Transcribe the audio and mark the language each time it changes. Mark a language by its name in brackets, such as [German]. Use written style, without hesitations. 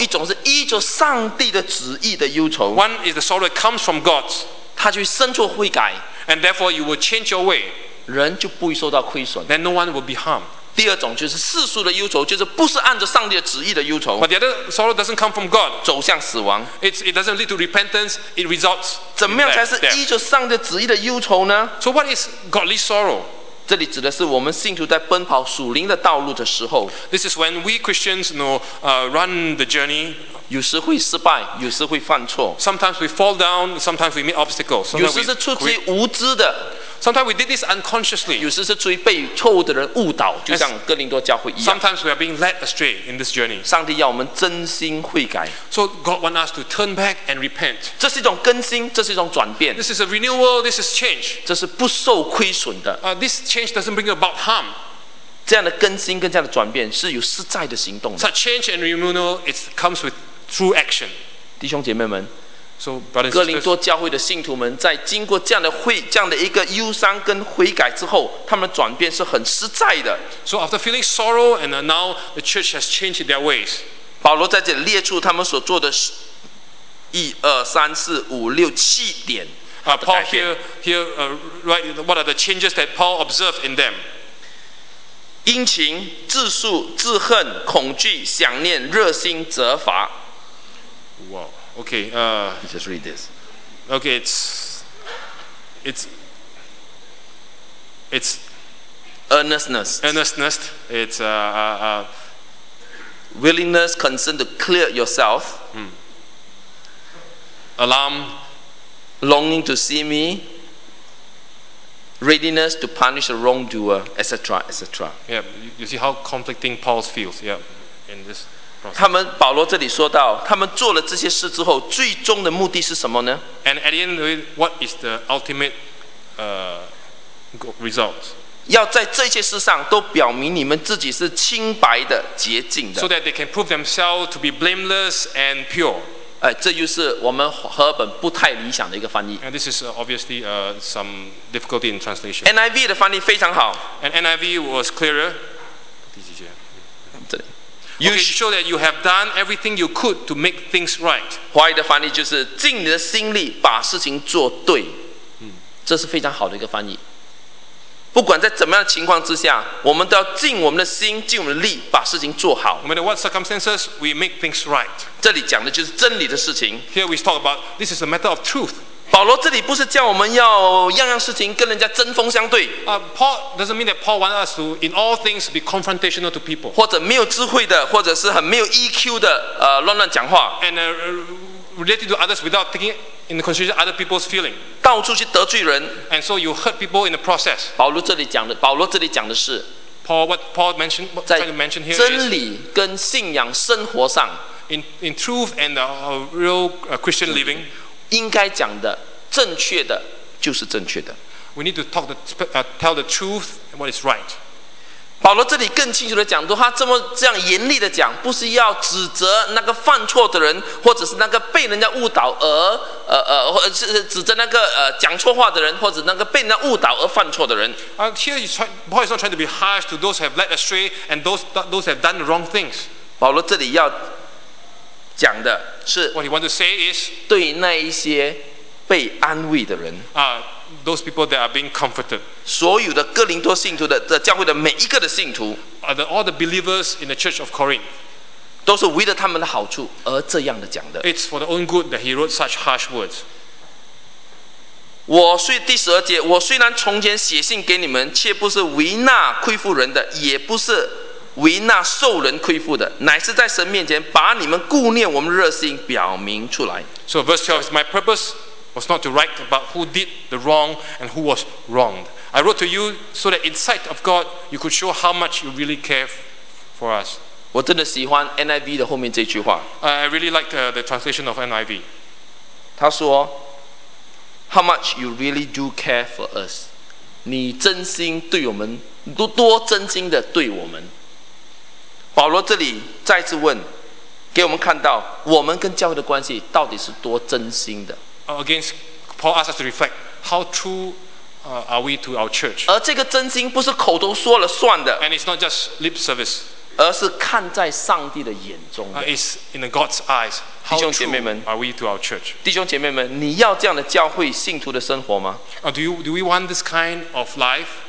[Chinese] 一种是依着上帝的旨意的忧愁。 [English] One is the sorrow that comes from God. [Chinese] 他就生出悔改。 [English] And therefore you will change your way. [Chinese] 人就不会受到亏损。 [English] Then no one will be harmed. [Chinese] 第二种就是世俗的忧愁，就是不是按着上帝的旨意的忧愁。 [English] But the other sorrow doesn't come from God. [Chinese] 走向死亡。 [English] It doesn't lead to repentance. It results. [Chinese] 怎么样才是依着上帝旨意的忧愁呢 [English] ？So what is godly sorrow? [Chinese] 这里指的是我们信徒在奔跑属灵的道路的时候。 [English] This is when we Christians know, run the journey. [Chinese] 有时会失败，有时会犯错。 [English] Sometimes we fall down. Sometimes we meet obstacles. [Chinese] 有时是出于无知的。 [English] Sometimes we did this unconsciously. [Chinese] 有时是出于被错误的人误导，就像哥林多教会一样。 [English] Sometimes we are being led astray in this journey. [Chinese] 上帝要我们真心悔改。 [English] So God wants us to turn back and repent. [Chinese] 这是一种更新，这是一种转变。 [English] This is a renewal. This is change. [Chinese] 这是不受亏损的。 [English] This change doesn't bring about harm. [Chinese] 这样的更新跟这样的转变是有实在的行动的。 [English] Such change and renewal it comes with true action. [Chinese] 弟兄姐妹们。 [English] So, [Chinese] 哥林多教会的信徒们在经过这样的会这样的一个忧伤跟悔改之后，他们的转变是很实在的。 [English] So after feeling sorrow and now the church has changed their ways. [Chinese] 保罗在这里列出他们所做的一二三四五六七点。 [English] Paul here write what are the changes that Paul observed in them? [Chinese] 殷勤、自述、自恨、恐惧、想念、热心、责罚。 [English] Wow. Okay, just read this. Okay, it's earnestness. Earnestness. It's willingness, concern to clear yourself. Alarm. Longing to see me. Readiness to punish a wrongdoer, etc., etc. Yeah, you see how conflicting Paul feels. Yeah, in this. [Chinese] 他们保罗这里说到，他们做了这些事之后，最终的目的是什么呢 [English] ？And at the end, what is the ultimate result? [Chinese] 要在这些事上都表明你们自己是清白的、洁净的 [English] ，so that they can prove themselves to be blameless and pure. [Chinese] 哎，这就是我们和本不太理想的一个翻译。 [English] And this is obviously some difficulty in translation. [Chinese] NIV 的翻译非常好。 [English] And NIV was clearer. [Chinese] 第几节？ [English] Okay, show that you have done everything you could to make things right. [Chinese] 华语的翻译就是尽你的心力把事情做对。这是非常好的一个翻译。不管在怎么样的情况之下，我们都要尽我们的心、尽我们的力把事情做好。 [English] No matter what circumstances, we make things right. [Chinese] 这里讲的就是真理的事情。 [English] Here we talk about this is a matter of truth. [Chinese] 保罗这里不是叫我们要样样事情跟人家针锋相对。 [English] Paul doesn't mean that Paul wants us to in all things be confrontational to people. [Chinese] 或者没有智慧的，或者是很没有 EQ 的，乱讲话。 [English] And related to others without taking in consideration other people's feeling. [Chinese] 到处去得罪人。 [English] And so you hurt people in the process. [Chinese] 保罗这里讲的是 [English] ，Paul what Paul mentioned what trying to mention here is [Chinese] 真理跟信仰生活上 [English] ，in truth and real Christian living. [Chinese] 应该讲的正确的就是正确的。 [English] We need to talk the tell the truth and what is right. [Chinese] 保罗这里更清楚的讲，他这样严厉的讲，不是要指责那个犯错的人，或者是那个被人家误导而指责那个讲错话的人，或者那个被人家误导而犯错的人。 [English] Here he's trying, Paul is not trying to be harsh to those who have led astray and those have done the wrong things. [Chinese] 保罗这里要。讲的是 [English] What he wants to say is [Chinese] 对那一些被安慰的人 [English] those people that are being comforted [Chinese] 所有的哥林多信徒的教会的每一个的信徒 [English] all the believers in the church of Corinth [Chinese] 都是为了他们的好处而这样的讲的 [English] It's for the own good that he wrote such harsh words [Chinese] 我虽第十二节我虽然从前写信给你们却不是为那亏负人的也不是为那受人亏负的，乃是在神面前把你们顾念我们热心表明出来。 [English] So verse 12 is my purpose was not to write about who did the wrong and who was wronged. I wrote to you so that in sight of God you could show how much you really care for us. [Chinese] 我真的喜欢 NIV 的后面这句话。 [English] I really liked the translation of NIV. [Chinese] 他说 [English] ，How much you really do care for us? [Chinese] 你真心对我们，多真心的对我们。保罗这里再次问，给我们看到我们跟教会的关系到底是多真心的。 [English] Again, Paul asks us to reflect how true are we to our church. [Chinese] 而这个真心不是口头说了算的。 [English] And it's not just lip service. [Chinese] 而是看在上帝的眼中的。 [English] It's in God's eyes. How true are we to our church? [Chinese] 弟兄姐妹们，你要这样的教会信徒的生活吗 [English] ？Do we want this kind of life?